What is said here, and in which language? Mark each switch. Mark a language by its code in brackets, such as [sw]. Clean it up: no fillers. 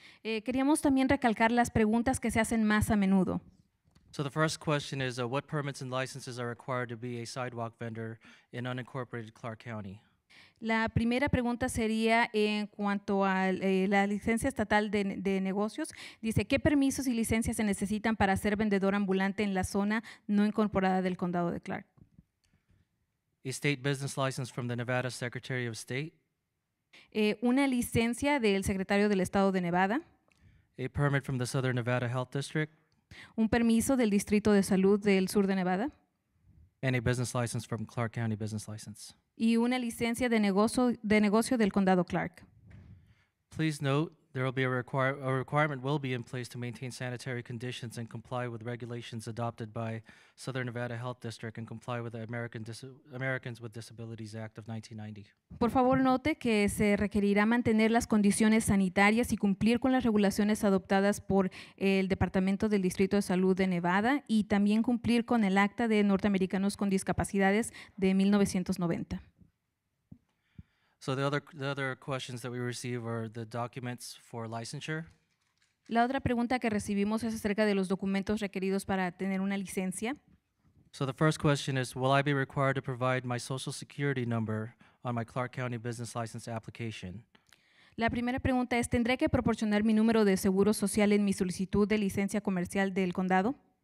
[es] Queríamos también recalcar las preguntas que se hacen más a menudo. [en] So the first question is, what permits and licenses are required to be a sidewalk vendor in unincorporated Clark County? [es] La primera pregunta sería en cuanto a la licencia estatal de negocios. Dice, ¿qué permisos y licencias se necesitan para ser vendedor ambulante en la zona no incorporada del condado de Clark? [en] A state business license from the Nevada Secretary of State. [es] Una licencia del secretario del estado de Nevada. [en] A permit from the Southern Nevada Health District. [es] Un permiso del Distrito de Salud del Sur de Nevada. [en] And a business license from Clark County Business License. [es] Y una licencia de negocio del condado Clark. [en] Please note There will be a requirement will be in place to maintain sanitary conditions and comply with regulations adopted by Southern Nevada Health District and comply with the Americans with Disabilities Act of 1990. [es] Por favor, note que se requerirá mantener las condiciones sanitarias y cumplir con las regulaciones adoptadas por el Departamento del Distrito de Salud de Nevada y también cumplir con el Acta de Norteamericanos con Discapacidades de 1990. [en] So the other questions that we receive are the documents for licensure. [es] La otra pregunta que recibimos es acerca de los documentos requeridos para tener una licencia. [en] So the first question is, will I be required to provide my social security number on my Clark County business license application? [es] La primera pregunta es, ¿tendré que proporcionar mi número de seguro social en mi solicitud de licencia comercial del condado?